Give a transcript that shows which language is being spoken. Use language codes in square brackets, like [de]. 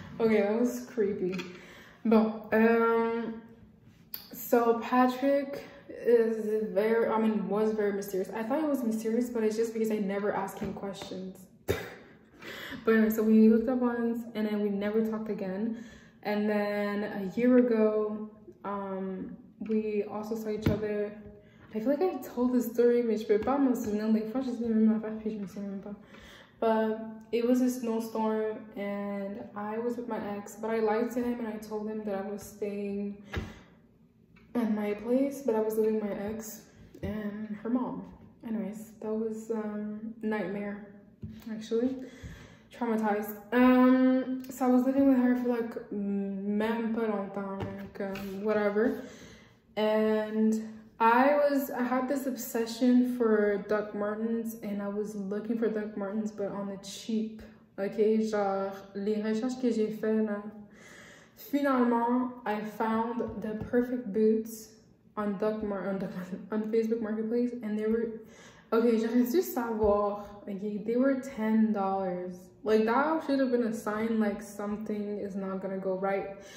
[en] Okay, that was creepy. But, so Patrick is very, I mean, was very mysterious. I thought it was mysterious, but it's just because I never asked him questions. But anyway, so we looked up once and then we never talked again. And then a year ago, we also saw each other. I feel like I've told this story, [fr] mais je peux pas m'en souvenir. Des fois, je sais même pas, puis je me souviens même pas. [en] But it was a snowstorm, and I was with my ex. But I lied to him, and I told him that I was staying at my place, but I was living with my ex and her mom. Anyways, that was a nightmare, actually. Traumatized. So I was living with her for, like, [fr] même pas longtemps, [en] like, whatever. And I had this obsession for Doc Martens, and I was looking for Doc Martens, but on the cheap. [fr] Okay, genre, les recherches que j'ai fait là. [en] Finalement, I found the perfect boots on on Facebook Marketplace, and they were, okay, [fr] j'aurais dû savoir, [en] okay, they were $10. Like, that should have been a sign, like, something is not gonna go right.